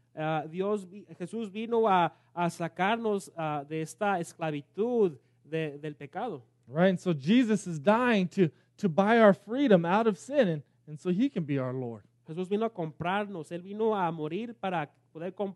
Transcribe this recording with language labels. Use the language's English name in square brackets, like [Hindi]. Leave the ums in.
[Spanish] Dios, Jesús vino a, a sacarnos de esta esclavitud de, del pecado. [English] Right, and so Jesus is dying to to buy our freedom out of sin, and, and so He can be our Lord. [Spanish] vino a comprarnos, él vino a morir para poder